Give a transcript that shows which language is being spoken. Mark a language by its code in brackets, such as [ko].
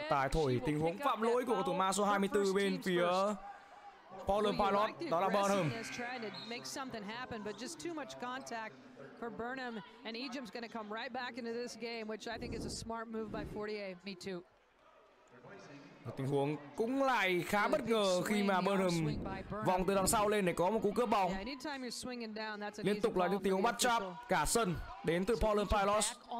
[vi] Trọng tài thổi tình huống phạm lỗi của cầu thủ ma số 24 bên phía Portland Pilots, đó là Burnham. [en] Trying to make something happen, but just too much contact for Burnham, and Ejim's going to come right back into this game, which I think is a smart move by Fortier. Me too. [vi] Một tình huống cũng lại khá bất ngờ khi mà Burnham vòng từ đằng sau lên để có một cú cướp bóng. Liên tục là những tình huống bắt trap cả sân đến từ Portland Pilots.